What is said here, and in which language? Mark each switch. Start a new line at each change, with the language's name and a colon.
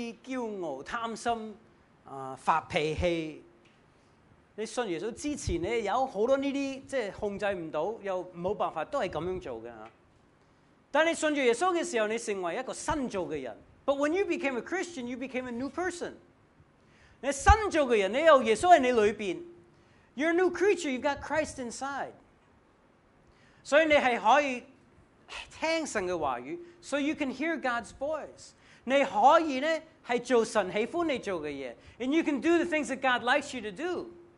Chinese: 那个自私、骄傲、贪心、发脾气, 你信耶稣之前有很多这些控制不了,又没办法,都是这样做的。但你信耶稣的时候,你成为一个新造的人。
English: But when you became a Christian, you became a new person.
Chinese: 你新造的人,你有耶稣在你里面。
English: You're a new creature, you've got Christ inside.
Chinese: 所以你是可以听神的话语,
English: so you can hear God's voice.
Chinese: 你可以呢,是做神喜欢你做的事。
English: And you can do the things that God likes you to do.